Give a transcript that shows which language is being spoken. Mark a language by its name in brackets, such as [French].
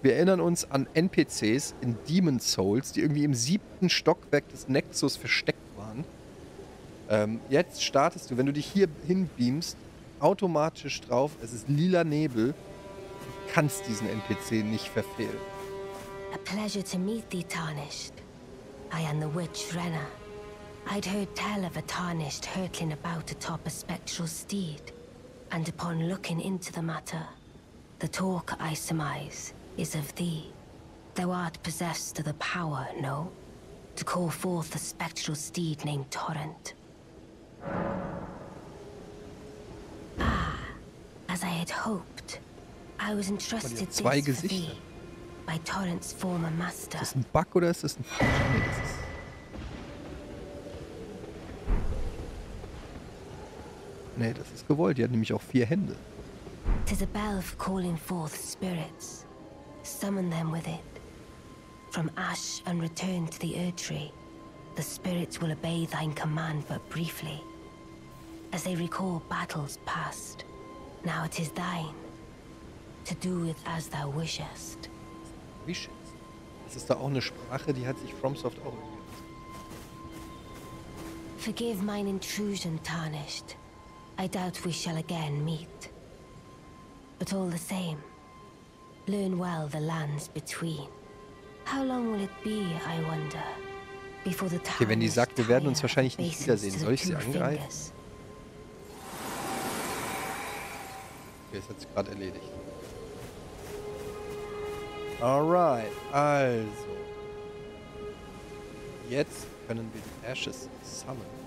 [German] Wir erinnern uns an NPCs in Demon's Souls, die irgendwie im 7. Stockwerk des Nexus versteckt waren. Jetzt startest du, wenn du dich hier hinbeamst, automatisch drauf, es ist lila Nebel, du kannst diesen NPC nicht verfehlen. [English] A pleasure to meet thee, Tarnished. I am the Witch Rena. I'd heard tell of a tarnished hurtling about atop a spectral steed, and upon looking into the matter, the talk, I surmise, is of thee. Thou art possessed of the power, no? To call forth a spectral steed named Torrent. Ah, as I had hoped, I was entrusted this for thee by Torrent's former master. [German] Ist das ein Bug oder ist das ein Fisch? Nee, das ist gewollt. Die hat nämlich auch 4 Hände. [English] Tis a bell for calling forth spirits. Summon them with it. From ash and return to the Erdtree. The spirits will obey thine command but briefly. as they recall battles past. Now it is thine to do with as thou wishest. Wishes? [German] Das ist da auch eine Sprache, die hat sich FromSoft auch gegeben. [English] Forgive mine intrusion, tarnished. I doubt we shall again meet. But all the same, learn well the lands between. How long will it be, I wonder, before the time. [German] Okay, wenn die sagt, wir werden uns wahrscheinlich nicht wiedersehen, soll ich sie angreifen? Okay, das hat sie gerade erledigt. [English] Alright, also. [German] Jetzt können wir die Ashes sammeln.